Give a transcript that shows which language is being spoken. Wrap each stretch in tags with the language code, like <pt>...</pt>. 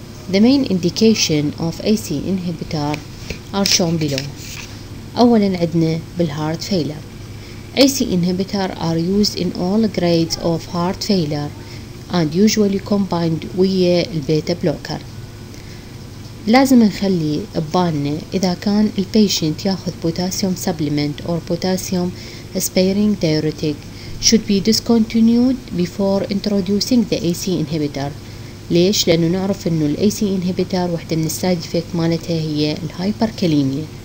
<en>The main indication of AC inhibitor are shown below.</en> <ar>أولا عندنا بالheart failure.</ar> <en>AC inhibitor are used in all grades of heart failure and usually combined with beta blocker.</en> <ar>لازم نخلي ببالنا إذا كان البيشنت ياخذ بوتاسيوم سبليمنت أو بوتاسيوم سبيرينج دايوريتيك</ar> <en>should be discontinued before introducing the AC inhibitor.</en> <ar>ليش؟ لأنه نعرف إنه الـ AC inhibitor واحدة من السايد افكت مالتها هي الهايبركاليميا.</ar>